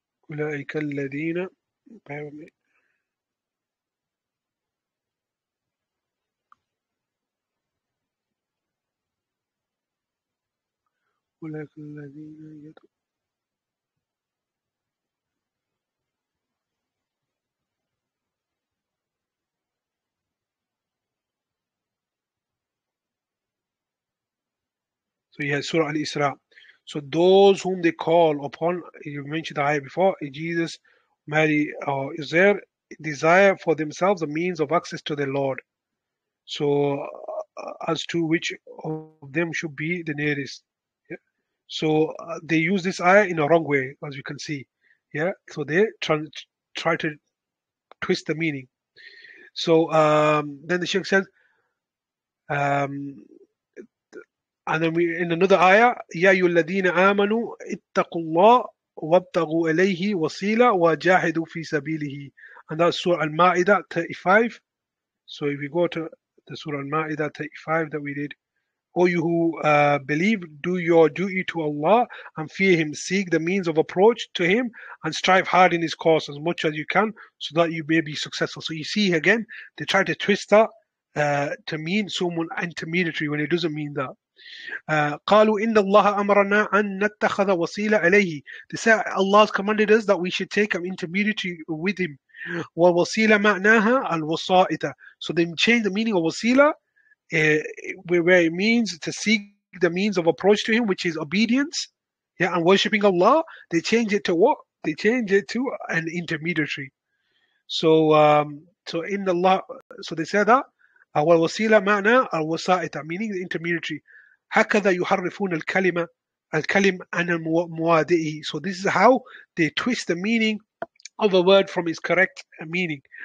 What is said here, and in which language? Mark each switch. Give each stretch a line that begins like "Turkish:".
Arabic: أولئك الذين أولئك الذين يدعون
English: So yeah, Surah Al-Isra. So those whom they call upon, you mentioned the ayah before, Jesus, Mary, is their desire for themselves a means of access to their Lord. So as to which of them should be the nearest. Yeah? So they use this ayah in a wrong way, as you can see. Yeah. So they try to twist the meaning. So then the Shaykh says, and then we, in another ayah,
Arabic: يَا أَيُّ الَّذِينَ آمَنُوا اتَّقُوا اللَّهِ وَابْتَغُوا إِلَيْهِ وَصِيلًا وَجَاهِدُوا فِي سَبِيلِهِ.
English: And that's Surah Al-Ma'idah 35. So if we go to the Surah Al-Ma'idah 35 that we did. O you who believe, do your duty to Allah and fear Him. Seek the means of approach to Him and strive hard in His cause as much as you can so that you may be successful. So you see again, they try to twist that to mean someone intermediary when it doesn't mean that.
Arabic: قالوا إن الله أمرنا أن نتخذ وسيلة إليه.
English: They say Allah has commanded us that we should take an intermediary with Him.
Arabic: ووسيلة معناها الوسائط.
English: So they change the meaning of وسيلة, where it means to seek the means of approach to Him, which is obedience, yeah, and worshiping Allah. They change it to what? They change it to an intermediary. So so in Allah, so they say that
Arabic: ووسيلة معنا الوسائط,
English: meaning the intermediary.
Arabic: هكذا يحرفون الكلمة الكلم عن موادئه.
English: So this is how they twist the meaning of a word from its correct meaning.